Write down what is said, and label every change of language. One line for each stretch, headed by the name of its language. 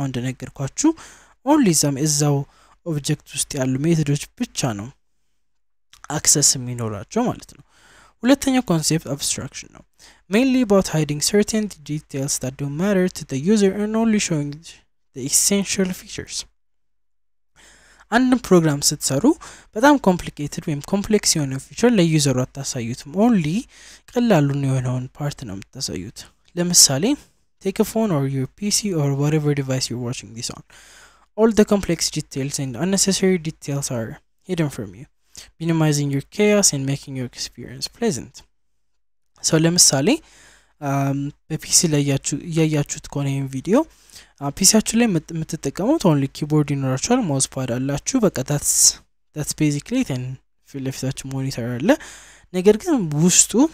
English: አሁን እንደነገርኳችሁ only some
Amharic: እዛው object ውስጥ ያሉ methods ብቻ ነው access የሚኖራቸው ማለት ነው።
English: ሁለተኛው concept abstraction ነው። Mainly about hiding certain details that don't matter to the user and only showing the essential features.
Amharic: አንድ ፕሮግራም ስትሰሩ በጣም ኮምፕሊኬትድ ወይም ኮምፕሌክስ የሆነ ፊቸር ለዩዘሩ አታሳዩት። ኦንሊ ቀላሉን የሆነውን ፓርት ነው የምታሳዩት። ለምሳሌ
English: take a phone or your PC or whatever device you're watching this on. All the complex details and unnecessary details are hidden from you, minimizing your chaos and making your experience pleasant.
Amharic: So ለምሳሌ በPC ላይ ያያችሁት ከሆነ ይሄን ቪዲዮ ፒሲያችሁ ላይ የምትጠቀሙት ኦንሊ ኪቦርድ ይኖራችኋል፣ ማውስ ፓድ አላችሁ። በቃ ታትስ ቤዚካሊ ኢትን ፊል ለፊታችሁ ሞኒተር አለ። ነገር ግን ውስጡ